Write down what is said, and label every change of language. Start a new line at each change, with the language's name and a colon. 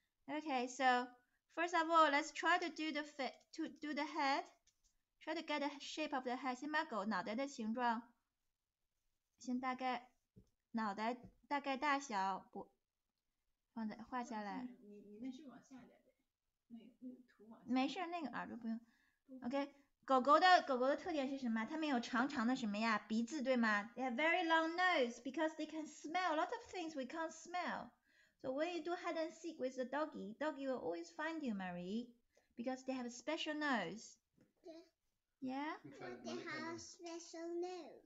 English: Okay, so first of all, let's try to do the fit, to do the head. Try to get the shape of the head.
Chinese: 先把狗脑袋的形状，先大概脑袋大概大小，不，放在画下来。你那是往下点的，那图往下。没事，那个耳朵不用。 OK， 狗狗的特点是什么？它们有长长的什么呀？鼻子对吗
English: ？They have very long nose because they can smell a lot of things we can't smell. So when you do hide and seek with a doggy, doggy will always find you, Mary, because they have a special nose. Yeah. They have a special nose.